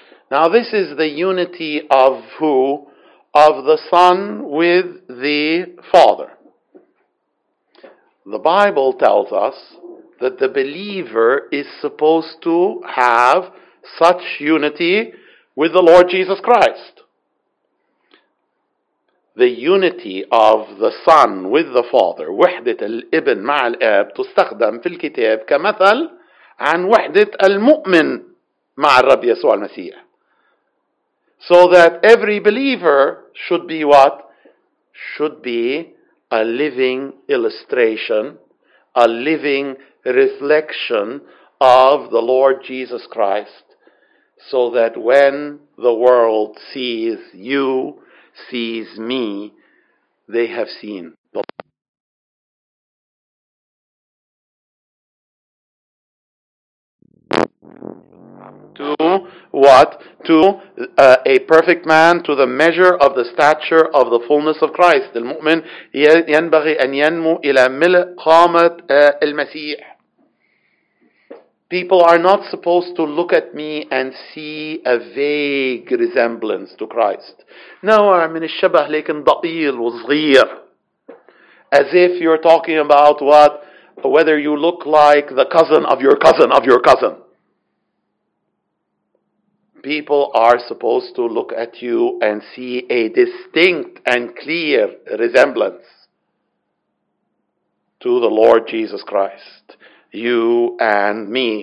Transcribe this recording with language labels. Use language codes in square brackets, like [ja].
[en] Now this is the unity of who? Of the Son with the Father. The Bible tells us that the believer is supposed to have such unity with the Lord Jesus Christ. The unity of the Son with the Father, [ar] وحدة الابن مع الاب, تستخدم في الكتاب كمثل عن وحدة المؤمن مع الرب يسوع المسيح. [en] So that every believer should be what? Should be a living illustration, a living reflection of the Lord Jesus Christ, so that when the world sees you, sees me, they have seen the Lord. To what? To a perfect man, to the measure of the stature of the fullness of Christ. [ar] المؤمن ينبغي أن ينمو إلى ملء قامة المسيح. [en] People are not supposed to look at me and see a vague resemblance to Christ. [ar] نوع من الشبه لكن ضئيل وصغير. [en] As if you're talking about what? Whether you look like the cousin of your cousin of your cousin. People are supposed to look at you and see a distinct and clear resemblance to the Lord Jesus Christ, you and me.